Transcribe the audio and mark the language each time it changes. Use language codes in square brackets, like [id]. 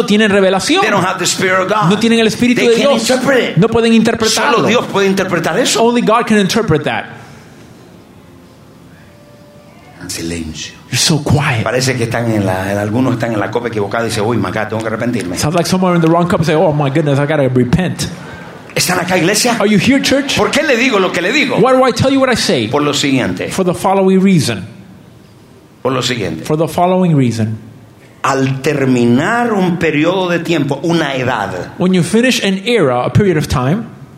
[es] No tienen revelación. [en] They don't have the spirit of God. [es] No tienen el espíritu [en] they [es] de Dios. [en] Interpret. [es] No pueden interpretarlo. Solo Dios puede interpretar eso. [en] Only God can interpret that. [es] En silencio. [en] You're so quiet. [es] Parece que están en la, algunos están en la copa equivocada y dicen, uy, maca, tengo que arrepentirme. [en] Sounds like somewhere in the wrong cup and say, oh my goodness, I gotta repent. [es] ¿Están acá, iglesia? [en] Are you here, church? [es] ¿Por qué le digo lo que le digo? [en] Why do I tell you what I say? [es] Por lo siguiente. [en] For the following reason. [es] Por lo siguiente. [en] For the following reason. [es] Al terminar un periodo de tiempo, una edad. When you finish an era, a period of time.